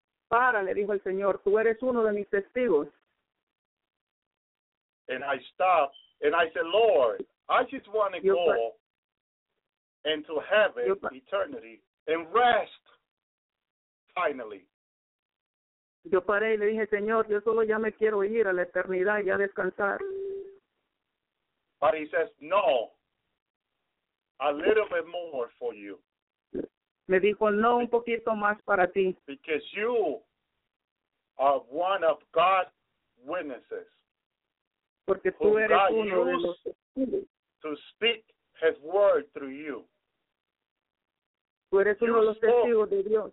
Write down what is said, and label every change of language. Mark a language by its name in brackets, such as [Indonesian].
[Spanish] Para, le dijo el Señor. Tú eres uno de mis testigos. [English] And I stopped, and I said, Lord, I just want to go into heaven, eternity, and rest. Finally. [Spanish] Yo paré y le dije, Señor, yo solo ya me quiero ir a la eternidad y a descansar. [English] But he says, no, a little bit more for you. [Spanish] Me dijo, no, un poquito más para ti. [English] Because you are one of God's witnesses. [Spanish] Porque tú eres [English] God [Spanish] uno [English] used [Spanish] de los [English] to speak his word through you. [Spanish] Tú eres uno de los testigos de Dios.